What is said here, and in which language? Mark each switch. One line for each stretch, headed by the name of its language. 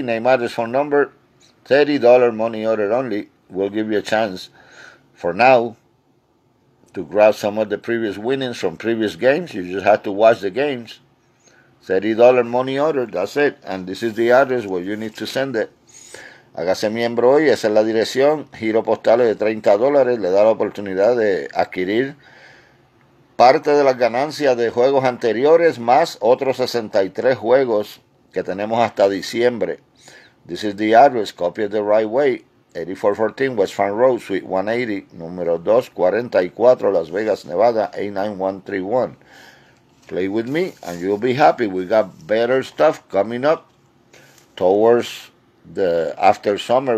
English: Name, address, phone number, $30 money order only. We'll give you a chance for now to grab some of the previous winnings from previous games. You just have to watch the games. $30 money order, that's it. And this is the address where you need to send it.
Spanish: Hágase miembro hoy, esa es la dirección. Giro postal de $30 le da la oportunidad de adquirir parte de las ganancias de juegos anteriores más otros 63 juegos que tenemos hasta diciembre.
English: This is the address, copy it the right way. 8414 West Farm Road, Suite 180, número 244, Las Vegas, Nevada, 89131. Play with me and you'll be happy. We got better stuff coming up towards the after summer.